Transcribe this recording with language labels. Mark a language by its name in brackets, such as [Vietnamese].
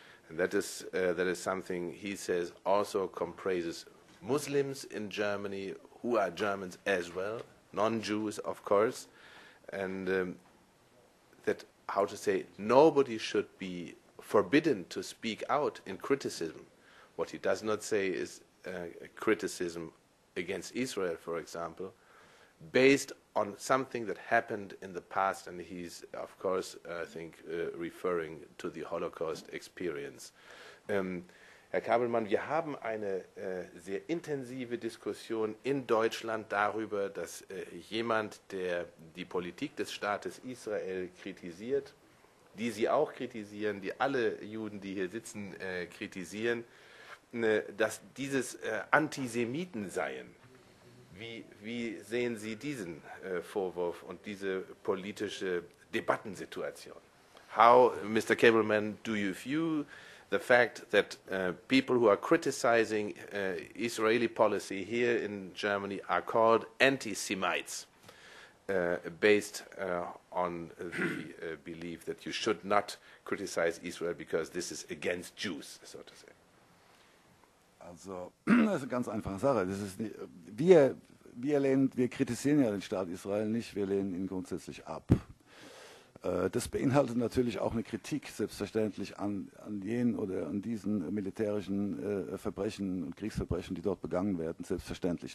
[English] And that is something he says also comprises Muslims in Germany who are Germans as well, non-Jews, of course, and that, how to say, nobody should be forbidden to speak out in criticism. What he does not say is criticism against Israel, for example, based on something that happened in the past, and he's, of course, I think, referring to the Holocaust experience. [German] Herr Kabelmann, wir haben eine sehr intensive Diskussion in Deutschland darüber, dass jemand, der die Politik des Staates Israel kritisiert, die Sie auch kritisieren, die alle Juden, die hier sitzen, kritisieren, dass dieses Antisemiten seien. Wie sehen Sie diesen Vorwurf und diese politische Debattensituation? [English] How, Mr. Kabelmann, do you view the fact that people who are criticizing Israeli policy here in Germany are called anti-Semites, based on the belief that you should not criticize Israel because this is against Jews, so to say? [German] Also, das ist eine ganz einfache Sache. Das ist nicht, wir kritisieren ja den Staat Israel nicht, wir lehnen ihn grundsätzlich ab. Das beinhaltet natürlich auch eine Kritik, selbstverständlich, an jenen oder an diesen militärischen Verbrechen und Kriegsverbrechen, die dort begangen werden, selbstverständlich.